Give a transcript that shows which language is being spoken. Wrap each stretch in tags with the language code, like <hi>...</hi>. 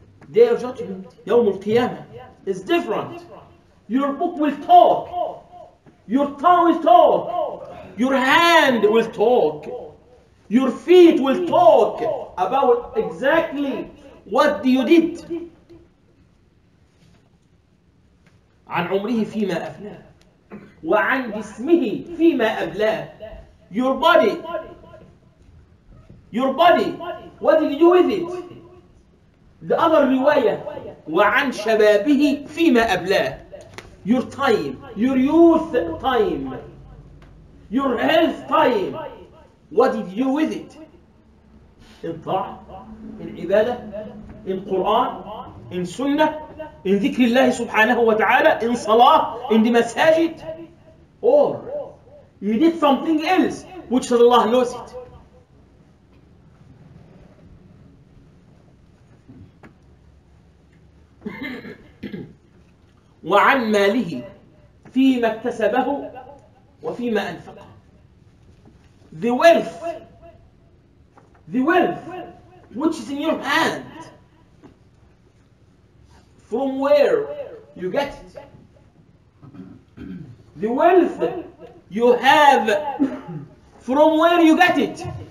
<en>Day of judgment, Yawm al-Qiyamah, is different. Your book will talk. Your tongue will talk. Your hand will talk. Your feet will talk about exactly what you did.</en> <ar>عن عمره فيما أفناه وعن جسمه فيما أبلاه.</ar> <en>Your body. Your body, what did you do with it?</en> <ar>The other riwayah, وَعَنْ شَبَابِهِ فِيمَا أَبْلَاهِ.</ar> <en>Your time, your youth time, your health time, what did you do with it? In ta'ah, in ibadah, in Quran, in sunnah, in dhikri Allah subhanahu wa ta'ala, in salah, in the masajid, or you did something else which Allah knows it.</en> <ar>وعن ماله فيما اكتسبه وفيما أنفقه.</ar> <en>The wealth which is in your hand, from where you get it. The wealth you have, from where you get it.</en>